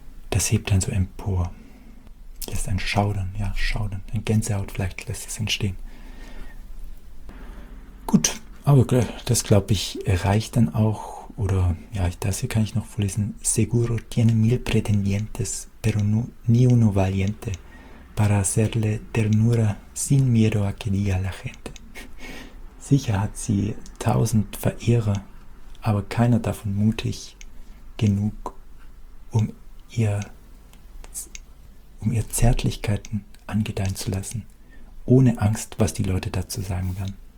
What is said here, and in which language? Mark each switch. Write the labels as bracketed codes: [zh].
[de] das hebt dann so empor, lässt ein Schaudern, ein Gänsehaut vielleicht lässt es entstehen. Gut, aber das glaube ich reicht dann auch, oder ja, das hier kann ich noch vorlesen. [es] Seguro tiene mil pretendientes, pero no, ni uno valiente para hacerle ternura sin miedo a que diga la gente. [de] Sicher hat sie 1000 Verehrer, aber keiner davon mutig genug, um ihr Zärtlichkeiten angedeihen zu lassen, ohne Angst, was die Leute dazu sagen werden.